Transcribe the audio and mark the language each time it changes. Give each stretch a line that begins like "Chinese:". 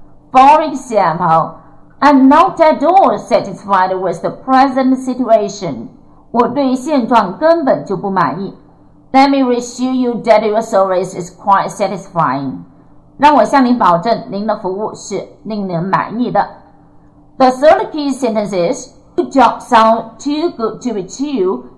English: For example, I'm not at all satisfied with the present situation.
Chinese: 我对现状根本就不满意。
English: Let me assure you that your service is quite satisfying.
Chinese: 让我向您保证您的服务是令人满意的。
English: The third key sentence is, your job sounds too good to be true.